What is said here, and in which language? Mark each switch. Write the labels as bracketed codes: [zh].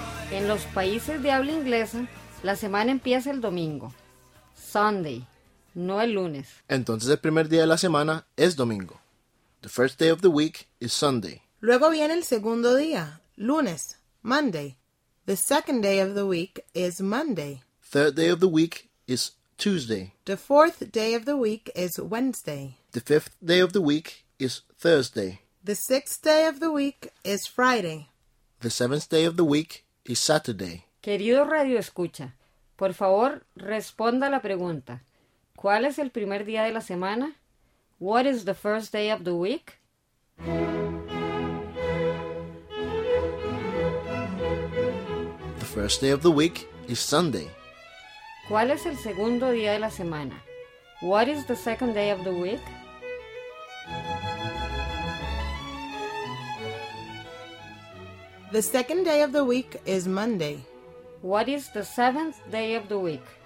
[es] En los países de habla inglesa, la semana empieza el domingo, Sunday, no el lunes. Entonces el primer día de la semana es domingo. [en] The first day of the week is Sunday. [es] Luego viene el segundo día, lunes, Monday. [en] The second day of the week is Monday. Third day of the week is Tuesday. The fourth day of the week is Wednesday. The fifth day of the week is Thursday. The sixth day of the week is Friday. The seventh day of the week is Saturday. [es] Querido radio escucha, por favor responda la pregunta. ¿Cuál es el primer día de la semana? [en] What is the first day of the week? The first day of the week is Sunday. [es] ¿Cuál es el segundo día de la semana? [en] What is the second day of the week? The second day of the week is Monday. What is the seventh day of the week?